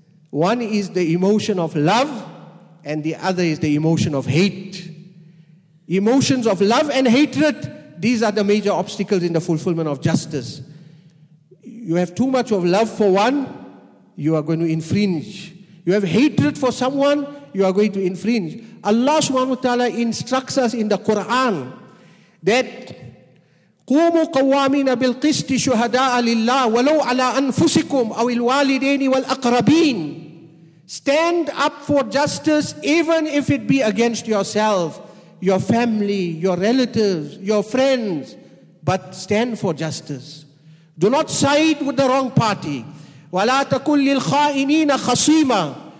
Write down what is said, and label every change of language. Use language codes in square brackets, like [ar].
[en] One is the emotion of love, and the other is the emotion of hate. Emotions of love and hatred, these are the major obstacles in the fulfillment of justice. You have too much of love for one, you are going to infringe. You have hatred for someone, you are going to infringe. Allah subhanahu wa ta'ala instructs us in the Quran that [ar] قوموا قوامين بالقسط شهداء لله ولو على أنفسكم أو الوالدين والأقربين. [en] Stand up for justice even if it be against yourself, your family, your relatives, your friends, but stand for justice. Do not side with the wrong party. [ar] ولا تكن للخائنين خصيما.